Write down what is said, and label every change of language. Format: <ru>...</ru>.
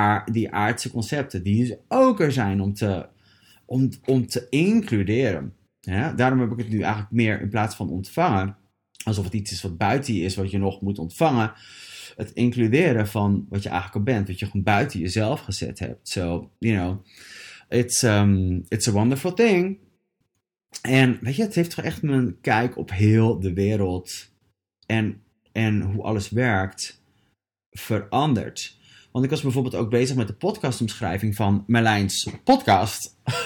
<nl>Die aardse concepten die dus ook er zijn om te includeren. Ja, daarom heb ik het nu eigenlijk meer in plaats van ontvangen, alsof het iets is wat buiten je is, wat je nog moet ontvangen. Het includeren van wat je eigenlijk al bent, wat je gewoon buiten jezelf gezet hebt.</nl> <en>So, you know, it's a wonderful thing.</en> <nl>En weet je, het heeft toch echt mijn kijk op heel de wereld en hoe alles werkt veranderd. Want ik was bijvoorbeeld ook bezig met de podcastomschrijving van Merlijn's podcast.</nl>